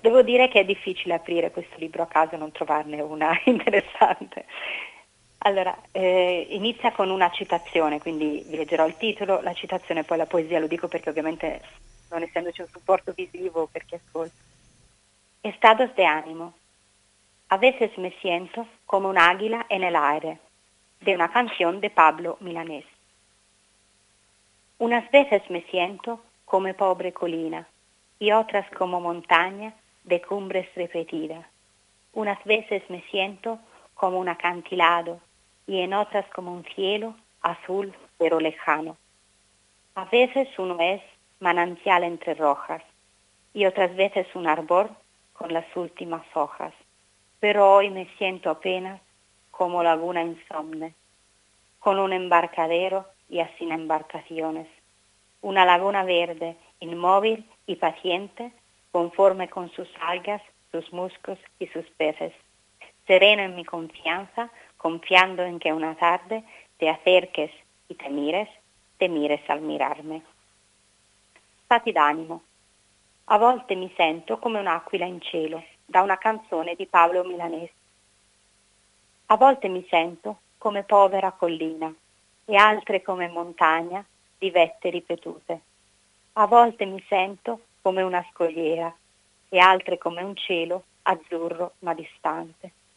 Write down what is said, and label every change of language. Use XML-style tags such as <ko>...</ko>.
<it>Devo dire che è difficile aprire questo libro a caso e non trovarne una interessante. Allora, inizia con una citazione, quindi vi leggerò il titolo, la citazione e poi la poesia, lo dico perché ovviamente, non essendoci un supporto visivo per chi ascolta.</it> <es>Estados de ánimo. A veces me siento como un águila en el aire, de una canción de Pablo Milanés. Unas veces me siento como pobre colina y otras como montaña de cumbres repetidas. Unas veces me siento como un acantilado y en otras como un cielo azul pero lejano. A veces uno es manantial entre rojas y otras veces un arbor con las últimas hojas, pero hoy me siento apenas como laguna insomne, con un embarcadero y así sin embarcaciones, una laguna verde, inmóvil y paciente, conforme con sus algas, sus musgos y sus peces, sereno en mi confianza, confiando en que una tarde te acerques y te mires al mirarme.</es> <it>Stati d'animo. A volte mi sento come un'aquila in cielo, da una canzone di Paolo Milanese. A volte mi sento come povera collina e altre come montagna di vette ripetute. A volte mi sento come una scogliera e altre come un cielo azzurro ma distante.</it>